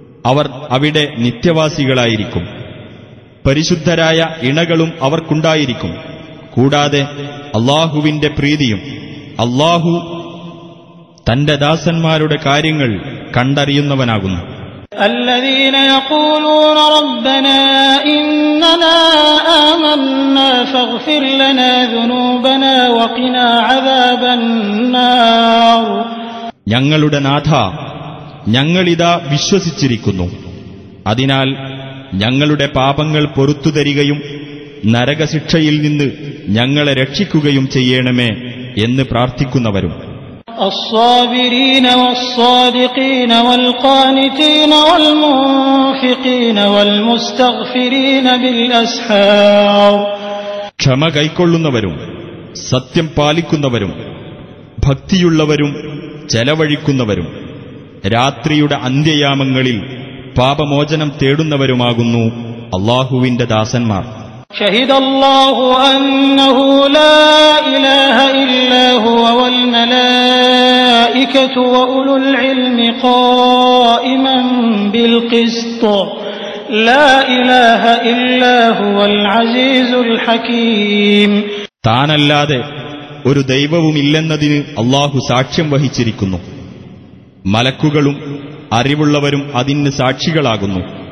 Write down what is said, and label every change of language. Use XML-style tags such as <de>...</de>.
<ml>അവർ അവിടെ നിത്യവാസികളായിരിക്കും. പരിശുദ്ധരായ ഇണകളും അവർക്കുണ്ടായിരിക്കും. കൂടാതെ അല്ലാഹുവിന്റെ പ്രീതിയും. അല്ലാഹു തന്റെ ദാസന്മാരുടെ കാര്യങ്ങൾ കണ്ടറിയുന്നവനാകുന്നു.</ml> <ar>الذين يقولون ربنا إننا آمنا فاغفر لنا ذنوبنا وقنا عذاب النار.</ar> <ml>ഞങ്ങളുടെ നാഥ, ഞങ്ങളിതാ വിശ്വസിച്ചിരിക്കുന്നു, അതിനാൽ ഞങ്ങളുടെ പാപങ്ങൾ പൊറുത്തു തരികയും നരകശിക്ഷയിൽ നിന്ന് ഞങ്ങളെ രക്ഷിക്കുകയും ചെയ്യണമേ എന്ന് പ്രാർത്ഥിക്കുന്നവരും.</ml> <ar>الصابرين والصادقين والقانتين والمنفقين والمستغفرين بالأسحار.</ar> <ml>ക്ഷമ കൈക്കൊള്ളുന്നവരും സത്യം പാലിക്കുന്നവരും ഭക്തിയുള്ളവരും ചെലവഴിക്കുന്നവരും രാത്രിയുടെ അന്ത്യയാമങ്ങളിൽ പാപമോചനം തേടുന്നവരുമാകുന്നു അല്ലാഹുവിന്റെ ദാസന്മാർ.</ml> <ar>شهد الله أنه لا إله إلا هو والملائكة وأولو العلم قائما بالقسط لا إله إلا هو العزيز الحكيم.</ar> <ml>താൻ അല്ലാതെ ഒരു ദൈവവുമില്ലെന്നതിന് അള്ളാഹു സാക്ഷ്യം വഹിച്ചിരിക്കുന്നു. മലക്കുകളും അറിവുള്ളവരും അതിന് സാക്ഷികളാകുന്നു.</ml>